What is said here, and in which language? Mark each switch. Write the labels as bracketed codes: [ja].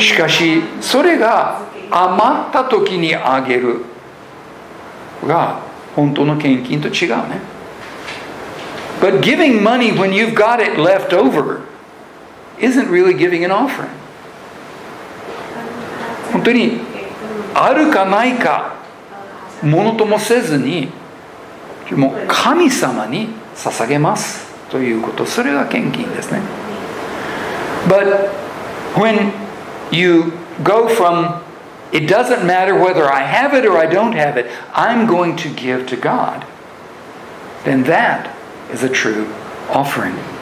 [ja] しかし、それが余った時にあげるが本当の献金と違うね。 [en] But giving money when you've got it left over isn't really giving an offering. [ja] 本当に、あるかないか、ものともせずに、もう神様に捧げますということ、それが献金ですね。 [en] But when you go from it doesn't matter whether I have it or I don't have it, I'm going to give to God, then that is a true offering.